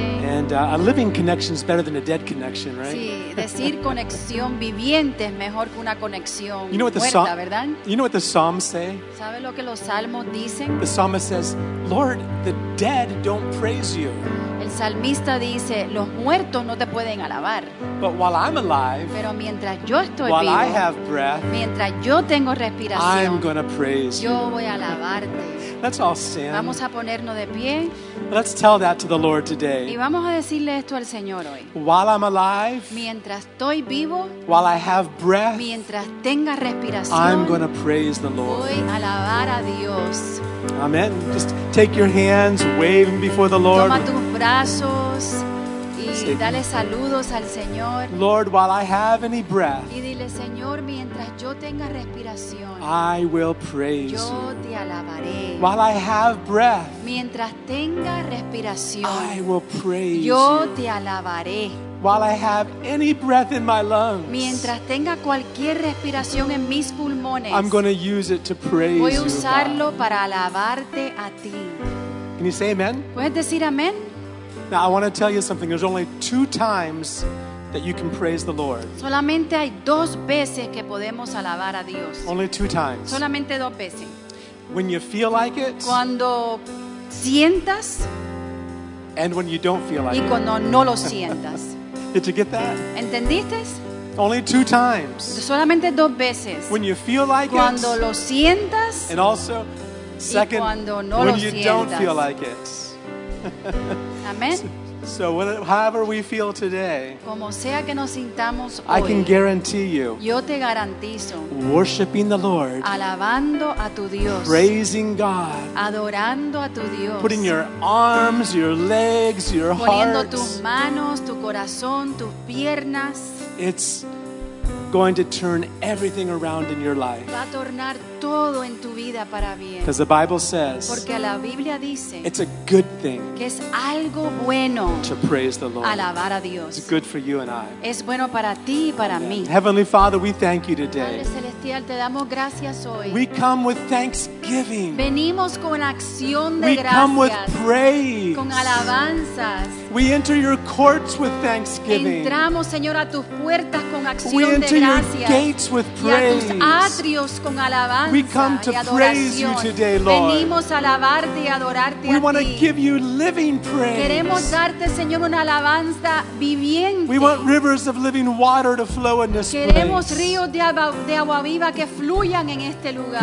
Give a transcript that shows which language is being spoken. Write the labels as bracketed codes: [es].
[en] And a living connection is better than a dead connection, right? [es] Sí, decir conexión viviente es mejor que una conexión muerta, ¿verdad? [en] You know what the Psalms say? [es] ¿Sabe lo que los Salmos dicen? [en] The psalmist says, "Lord, the dead don't praise you." [es] El salmista dice, los muertos no te pueden alabar. [en] But while I'm alive, [es] pero mientras yo estoy [en] while [es] vivo, [en] I have breath, [es] mientras yo tengo respiración, [en] I'm going to praise [es] yo [en] you. [es] Voy a alabarte. [en] Let's all stand. [es] Vamos a ponernos de pie. [en] Let's tell that to the Lord today. [es] Y vamos a decirle esto al Señor hoy. [en] While I'm alive, [es] mientras estoy vivo, [en] while I have breath, [es] mientras tenga respiración, [en] I'm going to praise the Lord. [es] Voy a alabar a Dios. [en] Amen. Just take your hands, wave them before the Lord. [es] Toma tus brazos y dale saludos al Señor. [en] Lord, while I have any breath, [es] y dile, Señor, mientras yo tenga respiración, [en] I will praise [es] yo [en] you. [es] Te alabaré. [en] While I have breath, [es] mientras tenga respiración, [en] I will praise [es] yo [en] you. [es] Te alabaré. [en] While I have any breath in my lungs, [es] mientras tenga cualquier respiración en mis pulmones, [en] I'm going to use it to praise [es] voy a usarlo [en] you, [es] para alabarte a ti. [en] Can you say amen? [es] ¿Puedes decir amén? [en] Now I want to tell you something. There's only two times that you can praise the Lord. [es] Solamente hay dos veces que podemos alabar a Dios. [en] Only two times. [es] Solamente dos veces. [en] When you feel like it. [es] Cuando sientas. [en] And when you don't feel like [es] it. Y cuando no lo sientas. [en] Did you get that? [es] ¿Entendiste? [en] Only two times. [es] Solamente dos veces. [en] When you feel like [es] cuando Cuando lo sientas. [en] And also, second, [es] y cuando no [en] when [es] lo [en] you [es] sientas. [en] Don't feel like it. Amen. So however we feel today, [es] como sea que nos sintamos hoy, [en] I can guarantee you, [es] yo te garantizo, [en] worshiping the Lord, [es] alabando a tu Dios, [en] praising God, [es] adorando a tu Dios, [en] putting your arms, your legs, your [es] poniendo [en] heart, [es] tus manos, tu corazón, tus piernas, [en] it's going to turn everything around in your life. [es] Va a tornar todo en tu vida para bien. [en] Because the Bible says, [es] porque la Biblia dice, [en] it's a good thing, [es] que es algo bueno, [en] to praise the Lord. [es] Alabar a Dios. [en] It's good for you and I. [es] Es bueno para ti y para mí. [en] Heavenly Father, we thank you today. [es] Padre celestial, te damos gracias hoy. [en] We come with thanksgiving. [es] Venimos con acción de [en] we [es] gracias. [en] Come with praise. [es] Con alabanzas. [en] We enter your courts with thanksgiving. [es] Entramos, Señor, a tus puertas con acción [en] we enter [es] de gracias. [en] Your gates with praise. [es] Y a tus atrios con alabanza. [en] We come to praise you today, Lord. [es] Venimos a alabarte y adorarte [en] we [es] a [en] want [es] ti. [en] To give you living praise. [es] Queremos darte, Señor, una alabanza viviente. [en] We want rivers of living water to flow in this [es] queremos [en] place. [es] Queremos ríos de agua viva que fluyan en este lugar.